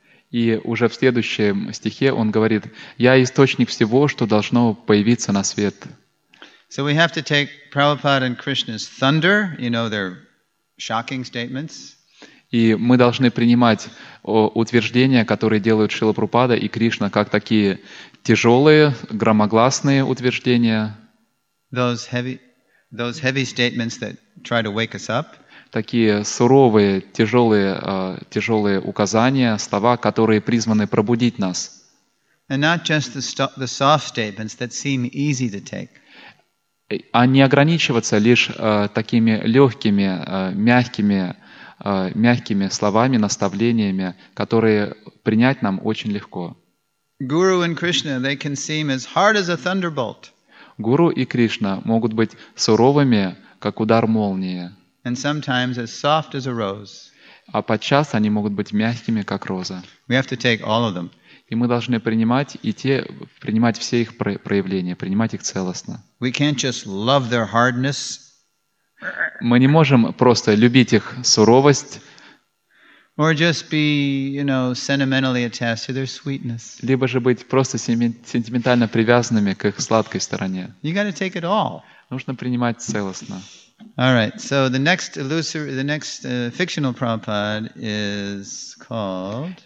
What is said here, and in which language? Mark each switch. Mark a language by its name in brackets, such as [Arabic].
[Russian] и уже в следующем стихе он говорит: «Я источник всего, что должно появиться на свет». [English] So we have to take Prabhupada and Krishna's thunder, you know, their shocking statements. [Russian] И мы должны принимать утверждения, которые делают Шрила Прабхупада и Кришна, как такие тяжелые, громогласные утверждения. [English] Those heavy statements that try to wake us up. [Russian] Такие суровые, тяжелые указания, слова, которые призваны пробудить нас. [English] And not just the soft statements that seem easy to take. [Russian] А не ограничиваться лишь такими легкими, мягкими словами, наставлениями, которые принять нам очень легко. [English] Guru and Krishna, they can seem as hard as a thunderbolt. [Russian] Гуру и Кришна могут быть суровыми, как удар молнии. [English] And sometimes as soft as a rose. [Russian] А подчас они могут быть мягкими, как роза. [English] We have to take all of them. [Russian] И мы должны принимать все их проявления, принимать их целостно. [English] We can't just love their hardness. [Russian] Мы не можем просто любить их суровость. [English] Or just be, you know, sentimentally attached to their sweetness. [Russian] Либо же быть просто сентиментально привязанными к их сладкой стороне. [English] You got to take it all. [Russian] Нужно принимать целостно. [English] All right. So the next fictional Prabhupada is called.